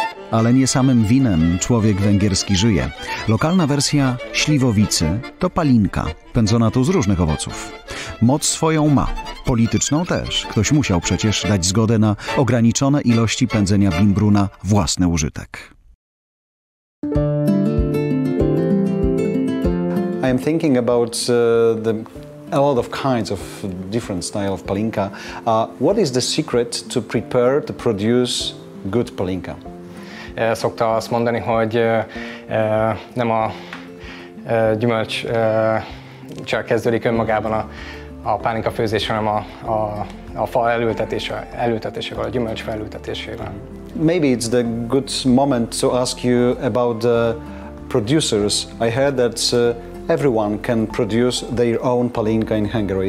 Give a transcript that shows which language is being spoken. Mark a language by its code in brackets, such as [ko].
[pl] ale nie samym winem człowiek węgierski żyje. Lokalna wersja śliwowicy to palinka, pędzona tu z różnych owoców. Moc swoją ma, polityczną też. Ktoś musiał przecież dać zgodę na ograniczone ilości pędzenia bimbru na własny użytek. [en] I am thinking about a lot of kinds of different style of palinka. What is the secret to prepare to produce good palinka? [hu] Szokta azt mondani, hogy nem a gyümölcs csak kezdődik önmagában a pálinka főzés, hanem a fa elültetésével, a gyümölcs felültetésével. [en] Maybe it's the good moment to ask you about the producers. I heard that everyone can produce their own palinka in Hungary.